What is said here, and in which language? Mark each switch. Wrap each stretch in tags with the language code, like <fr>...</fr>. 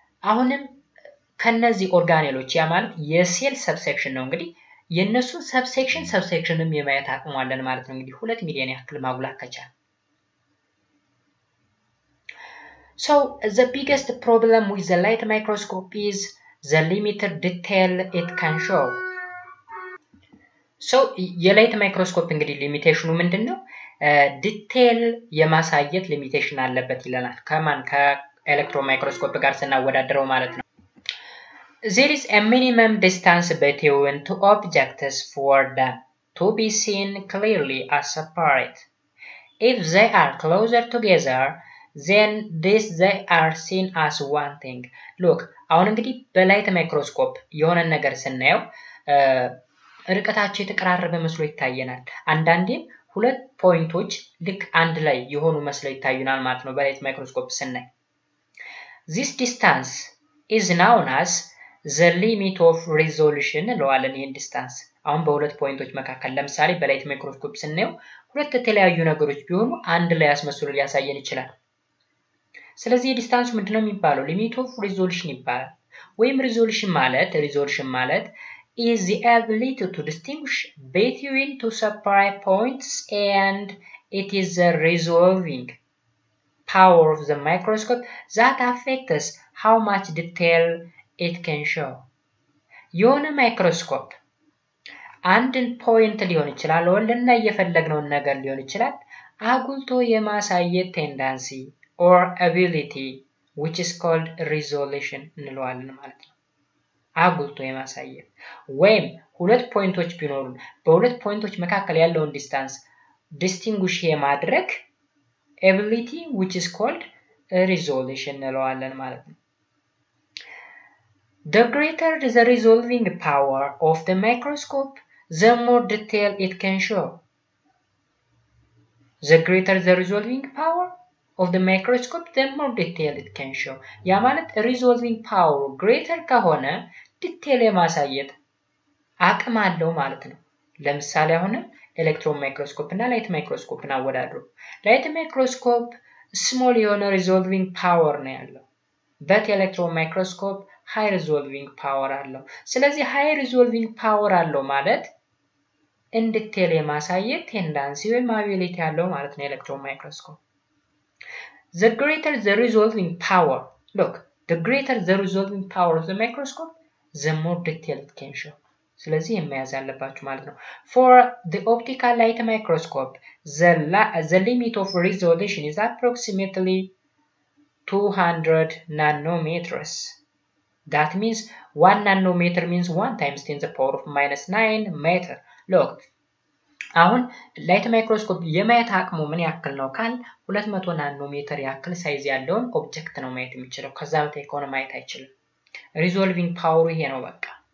<am>አሁንም ከነዚህ ኦርጋኔሎች ያ ማለት የሴል ሰብሴክሽን ነው እንግዲህ የነሱ ሰብሴክሽንም የማየት አቅም አለን ማለት ነው። እንግዲህ 2 ሚሊዮን ያክል ማጉላት ከቻል</am> <en>so the biggest problem with the light microscope is the limited detail it can show</en> <am>So, የላይt microscope እንግዲህ limitationu ምንድነው? Detail የማሳየt limitation አለበት ይላል ከማን ከelectron microscope ጋር ስናወዳደረው ማለት ነው።</am> <en>There is a minimum distance between two objects for them to be seen clearly as separate. If they are closer together, then this they are seen as one thing.</en> <am>Look, አሁን እንግዲህ በላይt microscope የሆነ ነገር ስናየው ርቀታቸው የተቀራረበ መስሎ ይታየናል። አንዳንዴ ሁለት ፖይንቶች ልክ አንድ ላይ የሆኑ መስሎ ይታዩናል ማለት ነው በላይt microscope ስናይ።</am> <en>This distance is known as the limit of resolution</en> <am>ለዋለን ይሄን distance። አሁን በሁለት ፖይንቶች መካከል ለምሳሌ በላይt microscope ስናየው ሁለት የተለያዩ ነገሮች ቢሆኑ አንድ ላይ አስመስሎ ሊያሳየን ይችላል። ስለዚህ የዲስታንሱ ምንድነው የሚባለው?</am> <en>limit of resolution</en> <am>ይባላል። ወይም</am> <en>resolution</en> <am>ማለት</am> <en>is the ability to distinguish between two separate points and it is the resolving power of the microscope that affects how much detail it can show.</en> <am>የሆነ ማይክሮስኮፕ አንድን ፖይንት ሊሆን ይችላል ወልና እየፈለግነው ነገር ሊሆን ይችላል አጉልቶ የማሳየት ቴንደንሲ</am> <en>or ability which is called resolution</en> <am>እንለዋለን ማለት ነው። አጉልቶ የማሳየት ወይም ሁለት ፖይንቶች ቢኖሩ በሁለት ፖይንቶች መካከለ ያለውን ዲስታንስ ዲስቲንጉሽ የማድረግ</am> <en>ability which is called resolution</en> <am>እንለዋለን ማለት ነው።</am> <en>The greater the resolving power of the microscope, the more detail it can show. The greater the resolving power of the microscope, the more detail it can show.</en> <am>ያ ማለት resolving power greater ከሆነ detail የማሳየት አቅም አለው ማለት ነው። ለምሳሌ አሁን electron microscope እና light microscope እና አወዳድሩ። light microscope small የሆነ resolving power ነው ያለው። that electron microscope high resolving power አለው። ስለዚህ high resolving power አለው ማለት in detail የማሳየት tendency ወይም ability አለው ማለት ነው electron microscope።</am> <en>The greater the resolving power, look, the greater the resolving power of the microscope, the more detail it can show.</en> <am>ስለዚህ የሚያዝ ያለባችሁ ማለት ነው።</am> <en>For the optical light microscope, the limit of resolution is approximately 200 nanometers. That means 1 nanometer means 1 times 10 to the power of minus 9 meter.</en> <am>Look, አሁን light microscope የማየት አቅሙ ምን ያክል ነው ካል 200 ናኖሜትር ያክል ሳይዝ ያለውን ኦብጀክት ነው ማየት የሚችለው። ከዛ በታች ከሆነ ማየት አይችልም። resolving power ይሄ ነው በቃ</am>